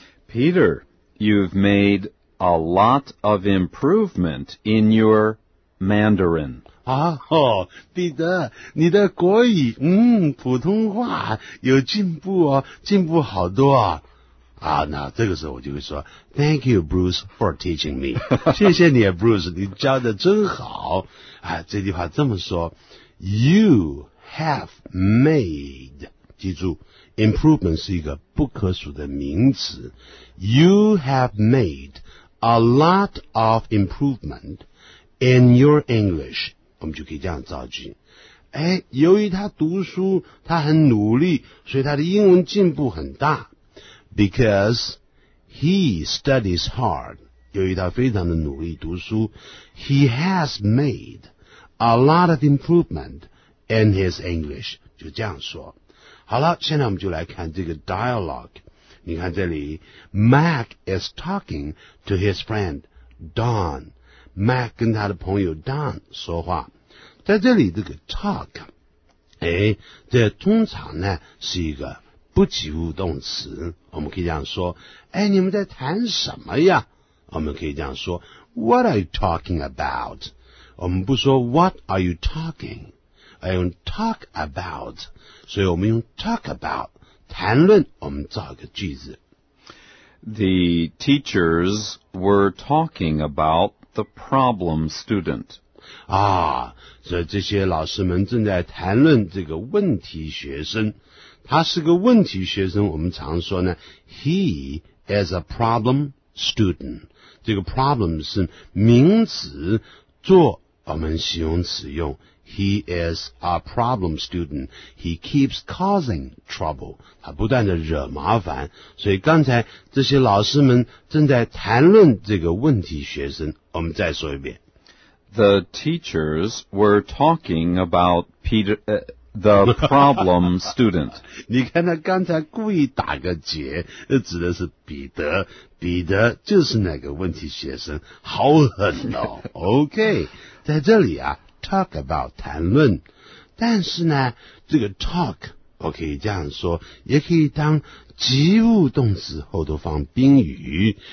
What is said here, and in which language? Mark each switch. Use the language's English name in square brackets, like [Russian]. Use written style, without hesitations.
[English] ，Peter, you've made a lot of improvement in your Mandarin. [Chinese] 啊哦，彼得，你的国语，普通话有进步哦，进步好多啊。啊，那这个时候我就会说 ， [English] Thank you, Bruce, for teaching me. [Chinese] 谢谢你 ，Bruce， 你教的真好。啊，这句话这么说 ， [English] You have made. [Chinese] 记住 ，improvement 是一个不可数的名词。 [English] You have made a lot of improvement in your English. [Chinese] 我们就可以这样造句。哎，由于他读书，他很努力，所以他的英文进步很大。 [English] Because he studies hard, [Chinese] 由于他非常的努力读书 [English] he has made a lot of improvement in his English, [Chinese] 就这样说。好了，现在我们就来看这个 dialogue。你看这里 , [English] Mac is talking to his friend, Don. [Chinese] Mac 跟他的朋友 Don 说话。在这里这个 talk, 哎，这通常呢是一个不及物动词，我们可以这样说，哎，你们在谈什么呀？我们可以这样说 , [English] What are you talking about? [Chinese] 我们不说 , [English] What are you talking? [Chinese] 而用 talk about, 所以我们用 talk about, 谈论，我们造一个句子。 [English] The teachers were talking about the problem student. [Chinese] 啊，所以这些老师们正在谈论这个问题学生。他是个问题学生，我们常说呢 , [English] he is a problem student. [Chinese] 这个 problem 是名词做我们形容词用。 [English] He is a problem student. He keeps causing trouble. [Chinese] 他不断的惹麻烦。所以刚才这些老师们正在谈论这个问题学生，我们再说一遍。 [English] The teachers were talking about Peter,The problem student. [Chinese] 你看他刚才故意打个结，指的是彼得。彼得就是那个问题学生，好狠哦。 OK, 在这里啊 ,talk about, 谈论。但是呢这个 talk, 我可以这样说，也可以当及物动词后头放宾语。